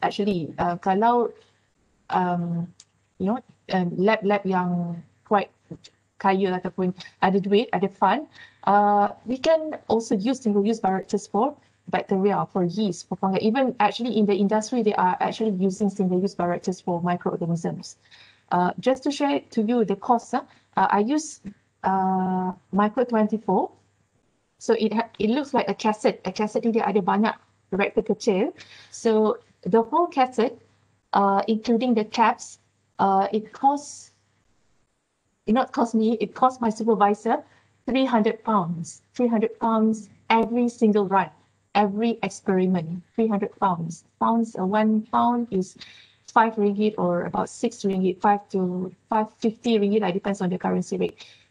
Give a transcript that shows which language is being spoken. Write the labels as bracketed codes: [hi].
[en] Actually, kalau you know, lab yang quite kaya ataupun ada duit, ada fund, we can also use single-use bioreactors for bacteria, for yeast, for fungi. Even actually in the industry, they are actually using single-use bioreactors for microorganisms. Just to share to you the cost, I use micro-24. So it looks like a cassette. [ms] A cassette ini ada banyak reactor kecil. [en] So the whole cassette, including the caps, it costs, it not cost me, it cost my supervisor £300. £300 every single run, every experiment, £300. Pounds, 1 pound is 5 ringgit or about 6 ringgit, 5 to 550 ringgit, it depends on the currency rate.